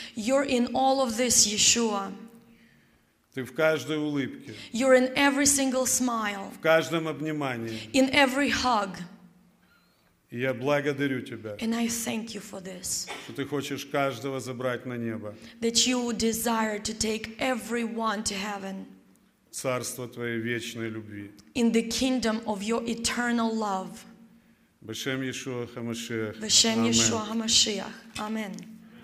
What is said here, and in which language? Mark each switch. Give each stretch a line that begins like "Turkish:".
English: You're in all of this, Yeshua.
Russian: Ты в каждой улыбке.
English: You're in every single smile.
Russian: В каждом обнимании.
English: In every hug.
Russian: И я благодарю Тебя.
English: And I thank you for this.
Russian: Что Ты хочешь каждого забрать на небо.
English: That you desire to take everyone to heaven.
Russian: Царство Твоей вечной любви.
English: In the kingdom of your eternal love.
Hebrew: Бешем Иешуа Хамашиах. Бешем Иешуа Хамашиах. Amen.